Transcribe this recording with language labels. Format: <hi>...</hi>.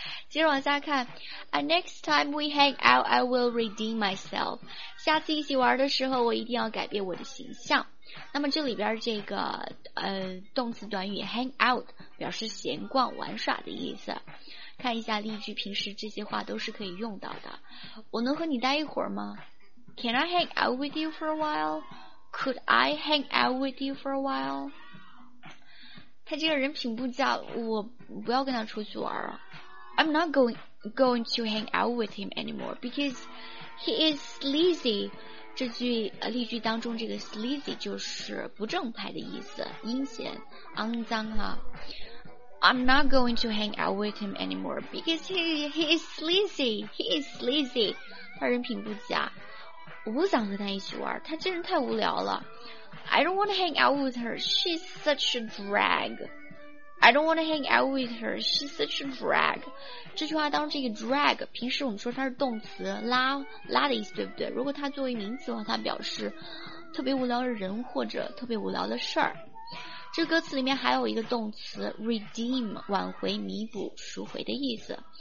<zh>接着往下看</zh> <en>Next time we hang out, I will redeem myself.</en> <zh>下次一起玩的时候，我一定要改变我的形象。那么这里边这个动词短语 hang out 表示闲逛玩耍的意思。看一下例句，平时这些话都是可以用到的。我能和你待一会儿吗？</zh> <en>Can I hang out with you for a while? Could I hang out with you for a while?</en> <zh>他这个人品不佳，我不要跟他出去玩了。</zh> <en>I'm not going to hang out with him anymore because he is sleazy.</en> <zh>这句例句当中这个 sleazy 就是不正派的意思，阴险肮脏啊。</zh> <en>I'm not going to hang out with him anymore because he is sleazy.</en> <zh>他人品不佳。我不想和她一起玩，她真是太无聊了。</zh> <en>I don't want to hang out with her, she's such a drag. I don't want to hang out with her, she's such a drag.</en> <zh>这句话当这个 drag, 平时我们说它是动词拉的意思，对不对？如果它作为名词的话，它表示特别无聊的人或者特别无聊的事儿。这歌词里面还有一个动词 redeem, 挽回、弥补、赎回的意思。</zh>